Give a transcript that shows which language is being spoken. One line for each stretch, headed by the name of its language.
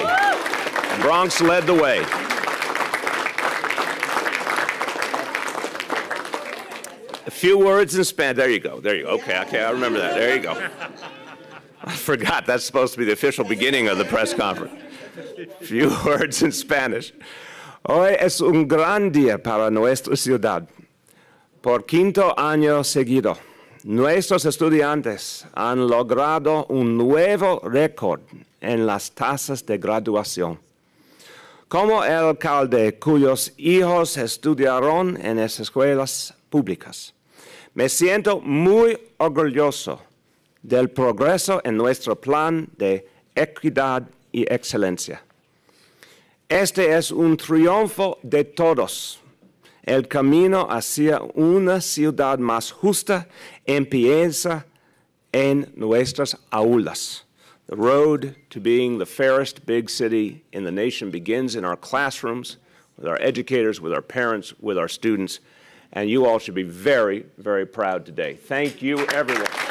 English: The Bronx led the way. A few words in Spanish. There you go. There you go. Okay, I remember that. There you go. I forgot. That's supposed to be the official beginning of the press conference. few words in Spanish.
Spanish: Hoy es un gran día para nuestra ciudad. Por quinto año seguido, nuestros estudiantes han logrado un nuevo récord en las tasas de graduación. Como el alcalde cuyos hijos estudiaron en esas escuelas públicas, me siento muy orgulloso del progreso en nuestro plan de equidad y excelencia. Este es un triunfo de todos. El camino hacia una ciudad más justa empieza en nuestras aulas.
English: The road to being the fairest big city in the nation begins in our classrooms, with our educators, with our parents, with our students, and you all should be very, very proud today. Thank you, everyone.